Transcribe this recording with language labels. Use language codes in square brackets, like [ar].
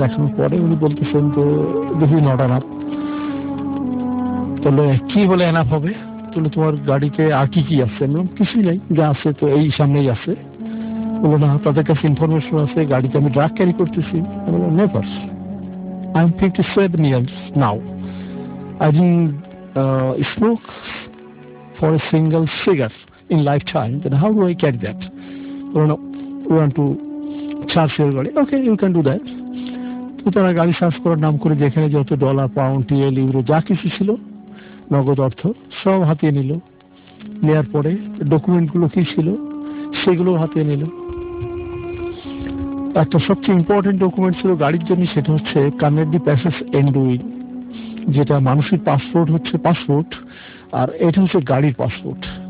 [bn] দেখানোর পরে উনি বলতেছেন যে দেখি নড়ানাথ বলে কি বলে এনাফ হবে তাহলে তোমার গাড়িতে আর কি কি আছে? আমি বললাম কিছুই নাই, যা আছে তো এই সামনেই আছে। বলো না, তাদের কাছে ইনফরমেশন আছে গাড়িতে আমি ড্রাগ ক্যারি করতেছি। আমি বললাম never, [en] I'm 57 years now. I didn't smoke for a single cigarette in lifetime. Then how do I carry that? You know, we want to charge your body. Okay, you can do that. [bn] তো তারা গাড়ি charge করার নাম করে যেখানে যত dollar pound TL euro যা কিছু ছিল নগদ অর্থ সব হাতিয়ে নিল। নেয়ার পরে ডকুমেন্টগুলো কী ছিল সেগুলোও হাতিয়ে নিল। একটা সবচেয়ে ইম্পর্টেন্ট ডকুমেন্ট ছিল গাড়ির জন্য, সেটা হচ্ছে কানাডি প্যাসেজ এন্ডুইন, যেটা মানুষের পাসপোর্ট হচ্ছে পাসপোর্ট আর এটা হচ্ছে গাড়ির পাসপোর্ট।